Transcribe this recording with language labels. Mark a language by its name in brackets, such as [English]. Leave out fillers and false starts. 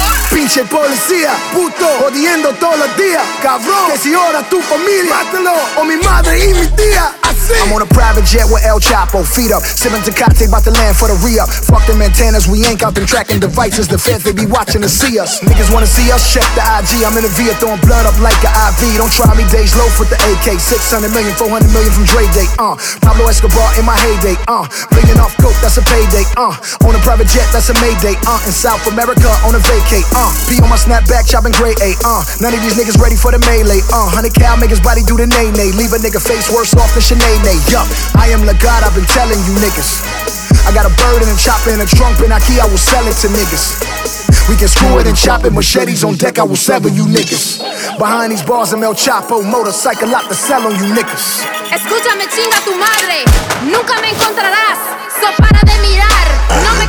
[Spanish] Pinche policía, puto, jodiendo todos los días. Cabrón, que si ahora tu familia, mátalo, o mi madre y mi tía. [English] I'm on a private jet with El Chapo, feet up. Sipping Tecate, about to land for the re-up. Fuck them antennas, we ain't got them tracking devices. The feds, they be watching to see us. Niggas wanna see us, check the IG. I'm in a VIA throwing blood up like an IV. Don't try me, Dej Loaf with the AK. 600 million, 400 million from Dre Day, Pablo Escobar in my heyday, Billion off coke, that's a payday, On a private jet, that's a mayday, In South America, on a vacay, Be on my snapback, chopping gray, None of these niggas ready for the melee, 100 cal, make his body do the nay-nay. Leave a nigga face worse off than Chanel. Yup, I am the God, I've been telling you niggas. I got a bird and a chopper and a trunk and a key, I will sell it to niggas. We can screw it and chop it, machetes on deck, I will sever you niggas. Behind these bars, I'm El Chapo, motorcycle lot to sell on you niggas. [Spanish] Escúchame, chinga tu madre, nunca me encontrarás, so para de mirar.